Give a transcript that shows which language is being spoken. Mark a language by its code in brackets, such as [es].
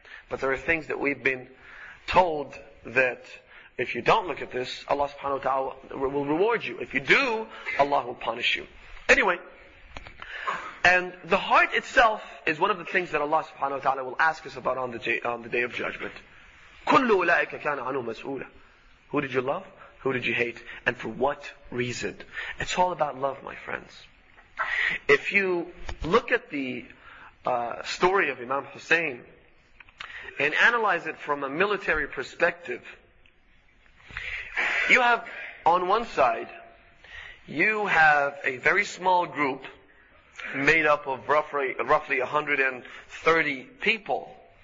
[en] But there are things that we've been told that if you don't look at this, Allah subhanahu wa ta'ala will reward you. If you do, Allah will punish you. Anyway, and the heart itself is one of the things that Allah subhanahu wa ta'ala will ask us about on the day of judgment. [ar] كُلُّ أُولَٰئِكَ كَانَ عَنُوا مَسْؤُولًا. [en] Who did you love? Who did you hate? And for what reason? It's all about love, my friends. If you look at the story of Imam Hussein and analyze it from a military perspective, you have, on one side, you have a very small group made up of roughly 130 people.